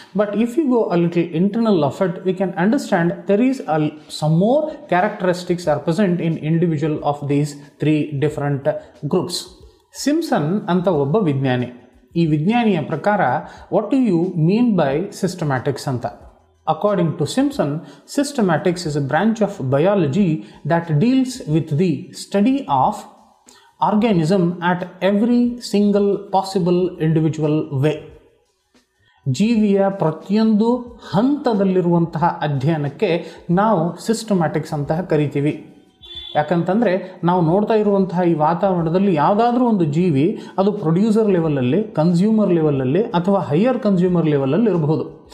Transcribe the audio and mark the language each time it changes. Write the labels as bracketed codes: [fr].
[en] But if you go a little internal of it we can understand there is a some more characteristics are present in individual of these three different groups. [kn] Simpson ಅಂತ ಒಬ್ಬ ವಿಜ್ಞಾನಿ, ಈ ವಿಜ್ಞಾನಿಯ ಪ್ರಕಾರ [en] what do you mean by systematics [kn] ಅಂತ. [en] According to Simpson, systematics is a branch of biology that deals with the study of organism at every single possible individual way. [kn] ಜೀವಿಯ ಪ್ರತಿಯೊಂದು ಹಂತದಲ್ಲಿರುವಂತಹ ಅಧ್ಯಯನಕ್ಕೆ ನಾವು ಸಿಸ್ಟಮ್ಯಾಟಿಕ್ಸ್ ಅಂತ ಕರಿತೀವಿ. ಯಾಕಂತಂದರೆ ನಾವು ನೋಡ್ತಾ ಇರುವಂತಹ ಈ ವಾತಾವರಣದಲ್ಲಿ ಯಾವುದಾದ್ರೂ ಒಂದು ಜೀವಿ ಅದು ಪ್ರೊಡ್ಯೂಸರ್ ಲೆವೆಲಲ್ಲಿ, ಕನ್ಸ್ಯೂಮರ್ ಲೆವೆಲಲ್ಲಿ ಅಥವಾ ಹೈಯರ್ ಕನ್ಸ್ಯೂಮರ್ ಲೆವೆಲಲ್ಲಿ ಇರಬಹುದು.